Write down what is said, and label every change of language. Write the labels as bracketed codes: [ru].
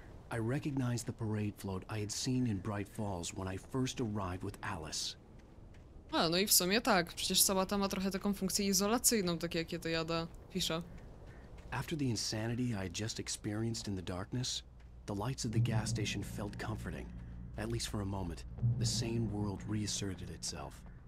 [en] I recognized the parade float I had seen in Bright Falls when I first arrived with Alice. [pl] A, no i w sumie tak, przecież cała ta ma trochę taką funkcję izolacyjną, tak jak je to jada pisze. [en] After the insanity I had just experienced in the darkness, the lights of the gas station felt comforting. At least for a moment, the sane world reasserted itself.